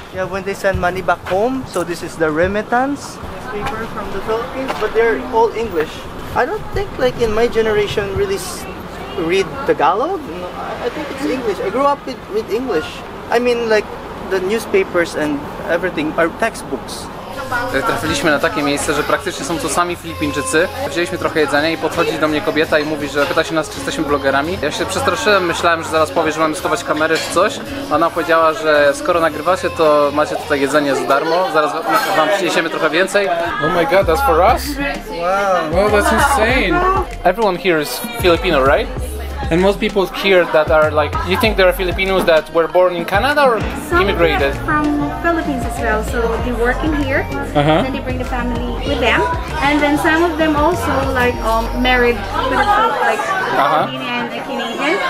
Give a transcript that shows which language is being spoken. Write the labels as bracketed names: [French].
[English] Yeah, when they send money back home, so this is the remittance paper from the Philippines, but they're all English. I don't think like in my generation really read Tagalog? No, I think it's English. I grew up with English. I mean, like, the newspapers and everything are textbooks. [Polish] Trafiliśmy na takie miejsce, że praktycznie są tu sami Filipińczycy. Wzięliśmy trochę jedzenia i podchodzi do mnie kobieta i mówi, że pyta się nas, czy jesteśmy blogerami. Ja się przestraszyłem, myślałem, że zaraz powie, że mamy schować kamery czy coś. Ona powiedziała, że skoro nagrywacie, to macie tutaj jedzenie za darmo. Zaraz wam przyniesiemy trochę więcej. [English] Oh my god, that's for us? Wow. Well, that's insane. Everyone here is Filipino, right? And most people here that are like, you think they are Filipinos that were born in Canada or some immigrated? Some from Philippines as well, so they work in here, uh-huh. And then they bring the family with them. And then some of them also like married with a group, like Filipino and a Canadian.